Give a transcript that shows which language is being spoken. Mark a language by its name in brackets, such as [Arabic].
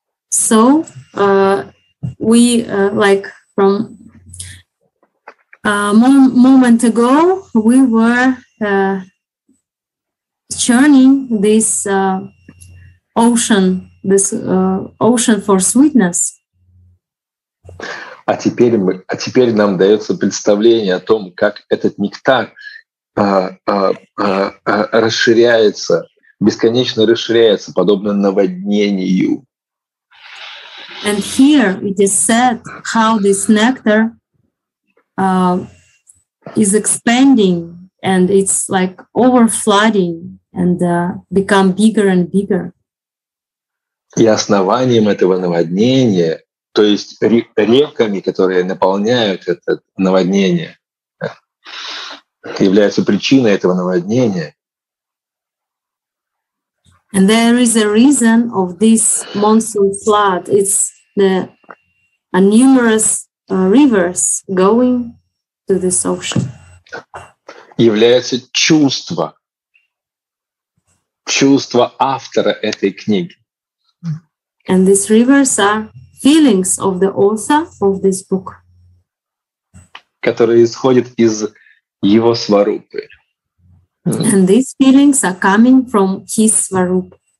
[English] So we like from moment ago we were churning this ocean for sweetness. [Russian] А теперь нам дается представление о том, как этот нектар расширяется, бесконечно расширяется, подобно наводнению. [English] And here it is said how this nectar is expanding and it's like overflooding and become bigger and bigger. [Russian] И основанием этого наводнения, то есть реками, которые наполняют это наводнение, является причиной этого наводнения. [English] And there is a reason of this monsoon flood. It's the numerous rivers going to this ocean. [Russian] Является чувство автора этой книги. [English] And these rivers are feelings of the author of this book. [Russian] Которые исходят из его сварупы. [English] And these feelings are coming from his сварупа.